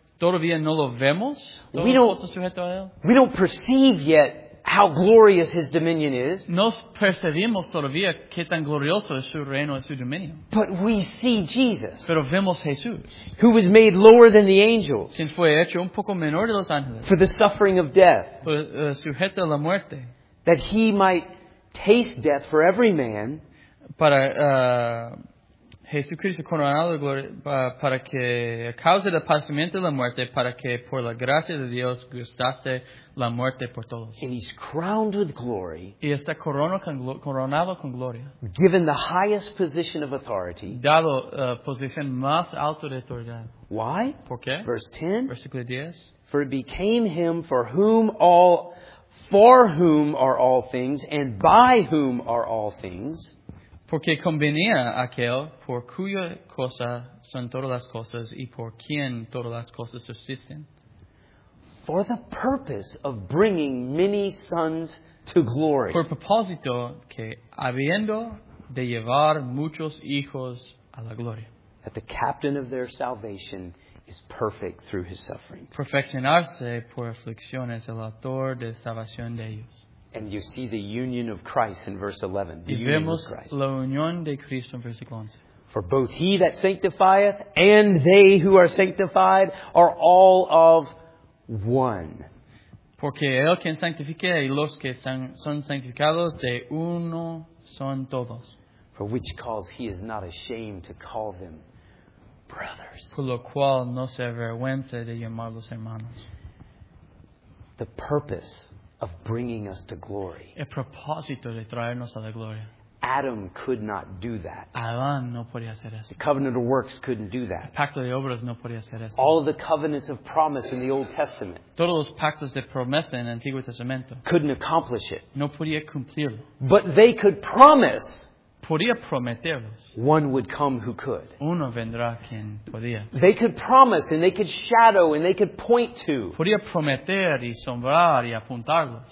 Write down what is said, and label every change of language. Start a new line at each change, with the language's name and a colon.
Spanish: ¿Todavía no lo vemos?
English: We don't perceive yet how glorious his dominion is.
Spanish: No percibimos todavía qué tan glorioso es su reino y su dominio.
English: But we see Jesus.
Spanish: Pero vemos Jesús.
English: Who was made lower than the angels.
Spanish: Quien fue hecho un poco menor de los ángeles.
English: For the suffering of death.
Spanish: Por, sujeto a la muerte.
English: That he might taste death for every man.
Spanish: Para Jesucristo coronado para que a causa del padecimiento de la muerte, para que por la gracia de Dios gustaste la muerte por todos.
English: And he's crowned with glory.
Spanish: Y está coronado con gloria.
English: Given the highest position of authority.
Spanish: Dado la posición más alta de autoridad.
English: Why?
Spanish: ¿Por qué?
English: Verse 10.
Spanish: Versículo 10.
English: For it became him for whom are all things, and by whom are all things.
Spanish: Porque convenía aquel por cuya cosa son todas las cosas y por quien todas las cosas subsisten.
English: For the purpose of bringing many sons to glory.
Spanish: Por propósito que habiendo de llevar muchos hijos a la gloria.
English: That the captain of their salvation is perfect through his suffering.
Spanish: Perfeccionarse por aflicciones el autor de salvación de ellos.
English: And you see the union of Christ in verse 11. The
Spanish: y
English: union
Spanish: vemos
English: of Christ.
Spanish: La unión de Cristo en versículo 11.
English: For both he that sanctifieth and they who are sanctified are all of one.
Spanish: Porque el quien sanctifica y los que son sanctificados de uno son todos.
English: For which cause he is not ashamed to call them brothers.
Spanish: Por lo cual no se avergüenza de llamarlos hermanos.
English: The purpose of bringing us to glory.
Spanish: El propósito de traernos a la gloria.
English: Adam could not do that.
Spanish: Adán no podía hacer eso.
English: The covenant of works couldn't do that.
Spanish: El pacto de obras no podía hacer eso.
English: All of the covenants of promise in the Old Testament.
Spanish: Todos los pactos de promesa en el Antiguo Testamento.
English: Couldn't accomplish it.
Spanish: No podía cumplirlo.
English: But they could promise.
Spanish: Podía prometerlos.
English: One would come who could.
Spanish: Uno vendrá quien podía.
English: They could promise and they could shadow and they could point to.
Spanish: Podía prometer y sombrar y apuntarlos.